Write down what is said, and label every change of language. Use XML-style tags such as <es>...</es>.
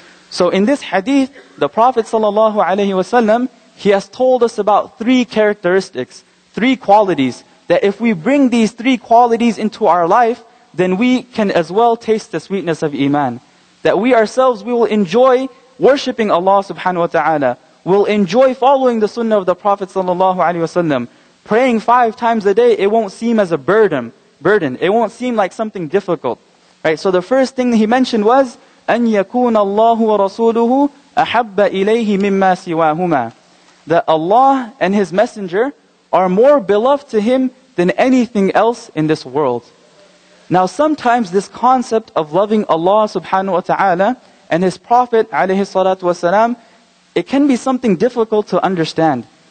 <en>So in this hadith, the Prophet sallallahu alayhi wasallam, he has told us about three characteristics, three qualities, that if we bring these three qualities into our life, then we can as well taste the sweetness of Iman. That we ourselves, we will enjoy worshipping Allah subhanahu wa ta'ala, we'll enjoy following the sunnah of the Prophet sallallahu alayhi wasallam. Praying five times a day, it won't seem as a burden. It won't seem like something difficult. Right? So the first thing he mentioned was,</en> <ar>أَن يَكُونَ اللَّهُ وَرَسُولُهُ أَحَبَّ إِلَيْهِ مِمَّا سِوَاهُمَا.</ar> <en>That Allah and His Messenger are more beloved to Him than anything else in this world. Now sometimes this concept of loving Allah subhanahu wa ta'ala and His Prophet alayhi salatu wasalam, it can be something difficult to understand.</en>